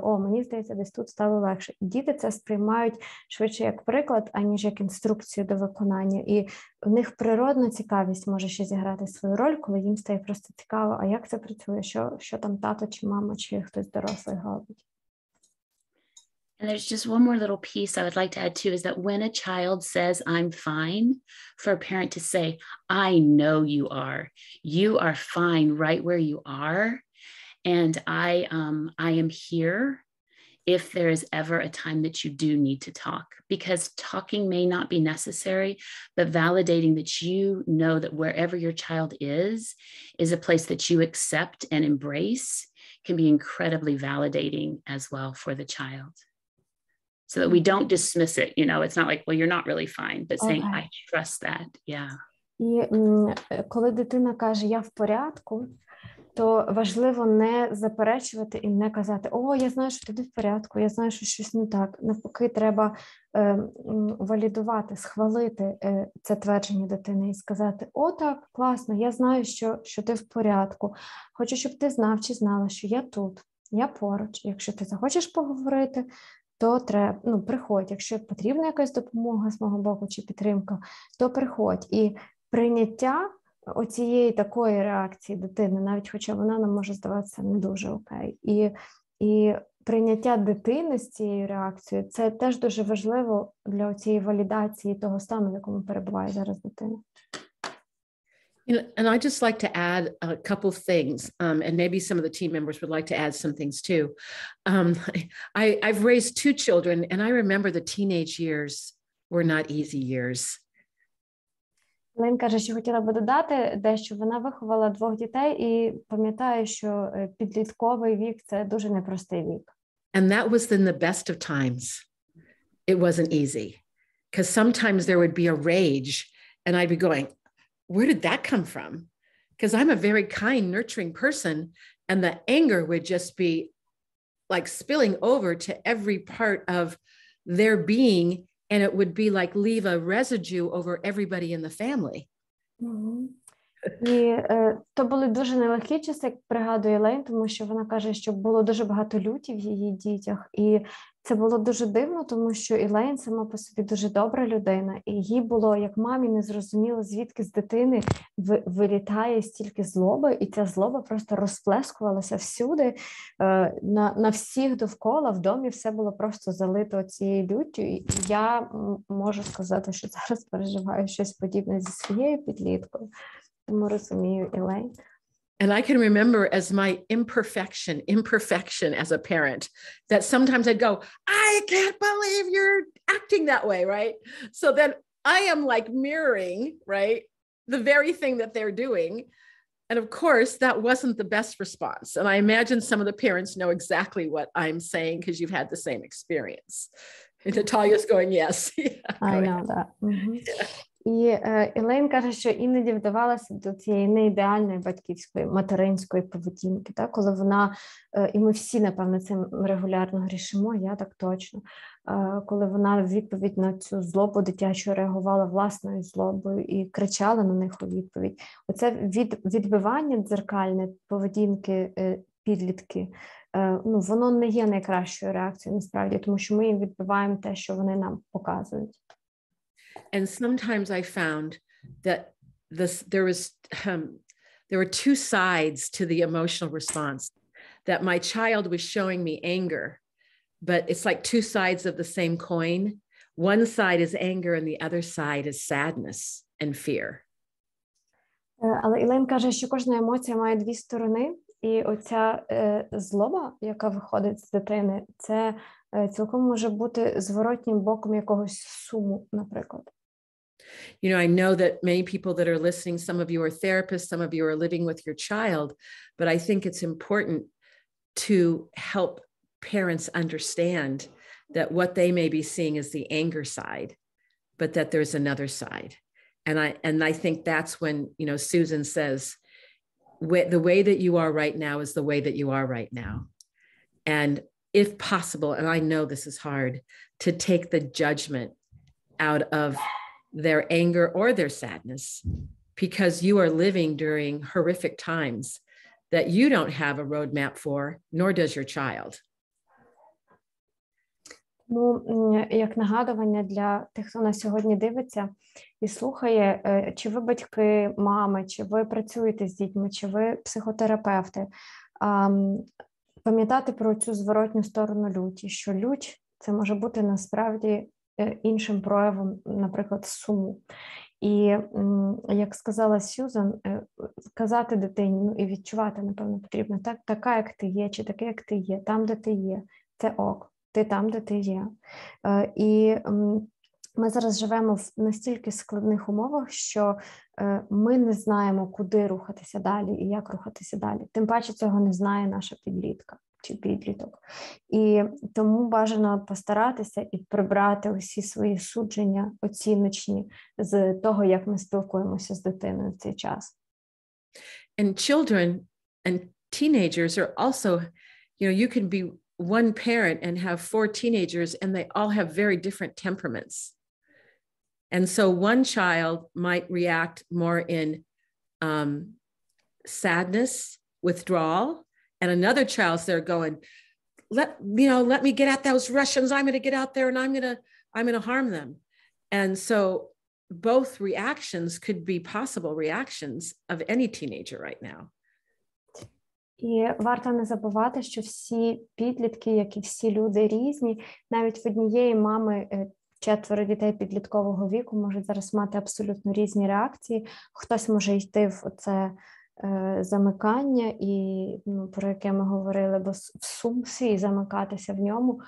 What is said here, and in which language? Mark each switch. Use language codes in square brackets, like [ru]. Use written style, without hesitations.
[uk] О, мені здається, десь тут стало легше. Діти це сприймають швидше як приклад, аніж як інструкцію до виконання. І в них природна цікавість може ще зіграти свою роль, коли їм стає просто цікаво, а як це працює, що там тато чи мама, чи хтось дорослий говорить. [en] And there's just one more little piece I would like to add too, is that when a child says, I'm fine, for a parent to say, I know you are fine right where you are. And I am here if there is ever a time that you do need to talk, because talking may not be necessary, but validating that you know that wherever your child is a place that you accept and embrace can be incredibly validating as well for the child. So that we don't dismiss it, you know, it's not like, well, you're not really fine, but saying, okay. I trust that, yeah. [uk] І коли дитина каже, я в порядку, то важливо не заперечувати і не казати, о, я знаю, що ти не в порядку, я знаю, що щось не так. Навпаки, треба валідувати, схвалити це твердження дитини і сказати, о, так, класно, я знаю, що ти в порядку. Хочу, щоб ти знав чи знала, що я тут, я поруч. Якщо ти захочеш поговорити, то треба, ну, приходь, якщо потрібна якась допомога з мого боку чи підтримка, то приходь. І прийняття оцієї такої реакції дитини, навіть хоча вона нам може здаватися не дуже окей, і прийняття дитини з цією реакцією, це теж дуже важливо для оцієї валідації того стану, в якому перебуває зараз дитина. [en] And I just like to add a couple of things, and maybe some of the team members would like to add some things too. I've raised two children, and I remember the teenage years were not easy years. [uk] Лен каже, що хотіла би додати дещо. Вона виховала двох дітей і пам'ятає, що підлітковий вік – це дуже непростий вік. [en] And that was in the best of times. It wasn't easy. Because sometimes there would be a rage, and I'd be going, where did that come from? Because I'm a very kind, nurturing person, and the anger would just be like spilling over to every part of their being, and it would be like leave a residue over everybody in the family. Mm-hmm. [uk] І то були дуже нелегкі часи, як пригадує Лейн, тому що вона каже, що було дуже багато люті в її дітях, і це було дуже дивно, тому що Елейн сама по собі дуже добра людина, і їй було, як мамі, незрозуміло, звідки з дитини вилітає стільки злоби, і ця злоба просто розплескувалася всюди, на всіх довкола, в домі все було просто залито цією люттю. І я можу сказати, що зараз переживаю щось подібне зі своєю підліткою, тому розумію Елейн. [en] And I can remember as my imperfection as a parent, that sometimes I'd go, I can't believe you're acting that way, right? So then I am like mirroring, right, the very thing that they're doing. And of course, that wasn't the best response. And I imagine some of the parents know exactly what I'm saying, because you've had the same experience. And Natalia's going, yes. Yeah, I know that. Mm-hmm. Yeah. [uk] І Елейн каже, що іноді вдавалася до цієї неідеальної батьківської, материнської поведінки, так? Коли вона, і ми всі, напевно, цим регулярно грішимо, я так точно, коли вона в відповідь на цю злобу дитячу реагувала власною злобою і кричала на них у відповідь. Оце відбивання дзеркальне поведінки підлітки, ну, воно не є найкращою реакцією, насправді, тому що ми їм відбиваємо те, що вони нам показують. [en] And sometimes I found that there were two sides to the emotional response, that my child was showing me anger, but it's like two sides of the same coin. One side is anger and the other side is sadness and fear. [uk] Але Елейн каже, що кожна емоція має дві сторони, і оця злоба, яка виходить з дитини, це цілком може бути зворотнім боком якогось суму, наприклад. [en] You know, I know that many people that are listening, some of you are therapists, some of you are living with your child, but I think it's important to help parents understand that what they may be seeing is the anger side, but that there's another side. And I think that's when, you know, Susan says, the way that you are right now is the way that you are right now. And if possible, and I know this is hard, to take the judgment out of their anger or their sadness, because you are living during horrific times that you don't have a roadmap for, nor does your child. [uk] Ну, як нагадування для тих, хто нас сьогодні дивиться і слухає, чи ви батьки, мами, чи ви працюєте з дітьми, чи ви психотерапевти, пам'ятати про цю зворотню сторону люті, що лють – це може бути насправді іншим проявом, наприклад, суму. І, як сказала Сьюзан, сказати дитині, ну, і відчувати, напевно, потрібно, так, така, як ти є, чи таке, як ти є, там, де ти є, це ок, ти там, де ти є. І ми зараз живемо в настільки складних умовах, що ми не знаємо, куди рухатися далі і як рухатися далі. Тим паче цього не знає наша підлітка чи підліток. І тому бажано постаратися і прибрати усі свої судження оціночні з того, як ми спілкуємося з дитиною в цей час. [en] And children and teenagers are also, you know, you can be one parent and have four teenagers and they all have very different temperaments. And so one child might react more in sadness, withdrawal. And another child's there going, let me get at those Russians. I'm going to get out there and I'm going to harm them. And so both reactions could be possible reactions of any teenager right now. [uk] І варто не забувати, що всі підлітки, як і всі люди різні, навіть в однієї мами четверо дітей підліткового віку можуть зараз мати абсолютно різні реакції. Хтось може йти в оце замикання, і, ну, про яке ми говорили, бо в сумці і замикатися в ньому.